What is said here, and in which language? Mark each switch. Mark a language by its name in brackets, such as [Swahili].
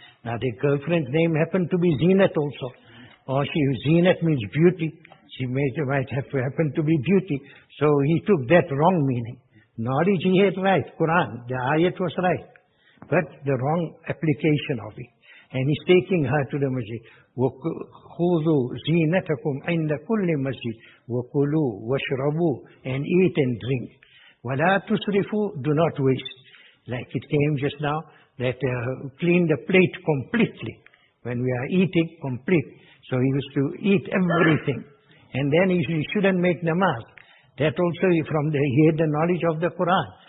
[English] Now the girlfriend's name happened to be Zinat also. Or she, Zinat means beauty. She might have happened to be beauty. So he took that wrong meaning. Knowledge he had right, Quran, the ayat was right. But the wrong application of it. And he's taking her to the masjid. [Arabic] وَخُذُوا زِينَتَكُمْ عِنْدَ كُلِّ مَسْجِدِ وَكُلُوا وَشْرَبُوا [English] and eat and drink. [Arabic] وَلَا تُسْرِفُوا [English] do not waste. Like it came just now, that clean the plate completely. When we are eating, complete. So he used to eat everything. And then he shouldn't make namaz. That also from the, he had the knowledge of the Quran.